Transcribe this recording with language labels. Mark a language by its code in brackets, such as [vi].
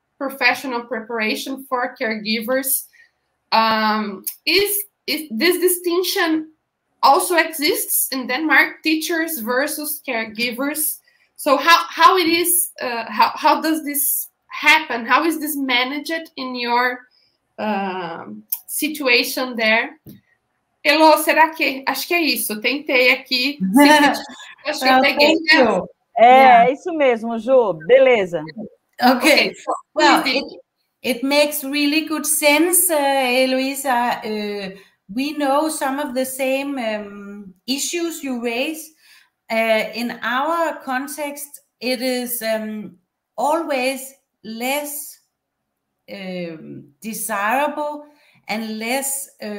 [en] Professional preparation for caregivers, is this distinction also exists in Denmark, teachers versus caregivers? So how it is, how does this happen? How is this managed in your situation there? [pt] Elô, será que, acho que é isso, tentei aqui. Acho que eu peguei. É isso mesmo, Ju, beleza. [en] Okay, well, it makes really good sense, Eloisa. We know some of the same issues you raise. In our context, it is always less desirable and less